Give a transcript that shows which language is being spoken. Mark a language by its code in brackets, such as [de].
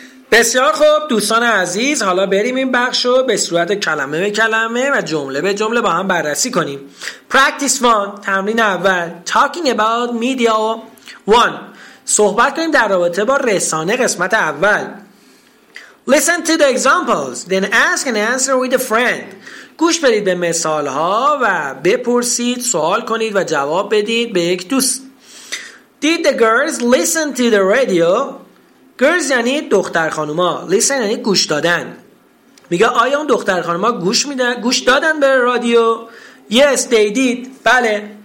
[fa] بسیار خوب دوستان عزیز، حالا بریم این بخش رو به صورت کلمه به کلمه و جمله به جمله با هم بررسی کنیم. [en] Practice 1، [fa] تمرین اول. [en] Talking about media 1. [fa] صحبت کنیم در رابطه با رسانه، قسمت اول. [en] Listen to the examples, then ask and answer with a friend. [fa] گوش بدید به مثال ها و بپرسید، سوال کنید و جواب بدید به یک دوست. [en] Did the girls listen to the radio? Girls [fa] یعنی دختر خانوما. Listen یعنی گوش دادن. میگه آیا اون دختر خانوما گوش میدن، گوش دادن به رادیو؟ [en] Yes, they did. [fa] بله.